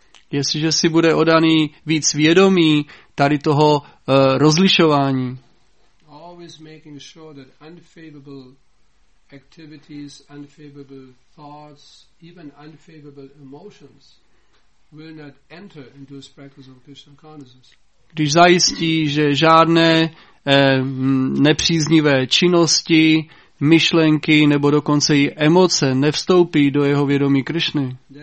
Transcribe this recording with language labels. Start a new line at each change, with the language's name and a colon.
Czech: Jestliže si bude oddaný víc vědomí tady toho rozlišování.
English: Always making sure that unfavorable activities, unfavorable thoughts, even unfavorable emotions will not enter into his practice of Krishna consciousness.
Czech: Když zajistí, že žádné nepříznivé činnosti, myšlenky nebo dokonce i emoce nevstoupí do jeho vědomí Krišny.